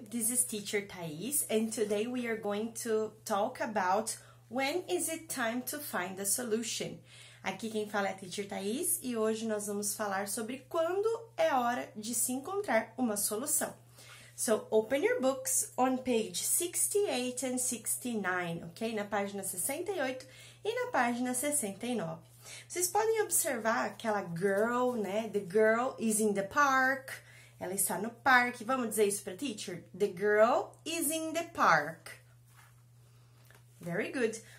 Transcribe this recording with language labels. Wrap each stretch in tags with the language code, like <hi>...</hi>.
<en>This is teacher Thais, and today we are going to talk about when is it time to find a solution.</en> <pt>Aqui quem fala é a teacher Thais, e hoje nós vamos falar sobre quando é hora de se encontrar uma solução.</pt> <en>So, open your books on page 68 and 69, ok?</en> <pt>Na página 68 e na página 69. Vocês podem observar aquela girl, né?</pt> <en>The girl is in the park.</en> <pt>Ela está no parque. Vamos dizer isso para a teacher?</pt> <en>The girl is in the park. Very good.</en>